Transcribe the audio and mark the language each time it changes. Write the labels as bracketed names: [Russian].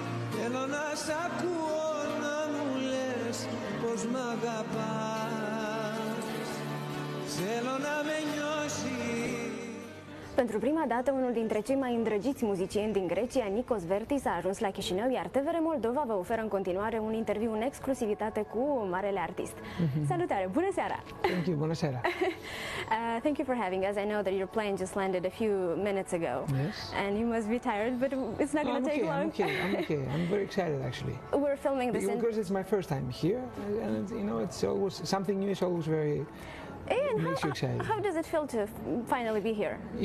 [Greek] Θέλω να σ' ακούω να μου λες πως μ' αγαπάς. Θέλω να με νιώσει. [Romanian] Pentru prima dată, unul dintre cei mai îndrăgiți muzicieni din Grecia, Nikos Vertis, a ajuns la Chișinău, iar TVR Moldova vă oferă în continuare un interviu în exclusivitate cu marele artist. Mm-hmm. Salutare, bună seara! [English] Thank you, [Romanian] bună seara! [English] Thank you for having us. I know that your plane just landed a few minutes ago. Yes. And you must be tired, but it's not going to take long. I'm okay. I'm very excited, actually. We're filming this. Because it's my first time here, and you know, it's always something new is always very... And how does it feel to finally be here?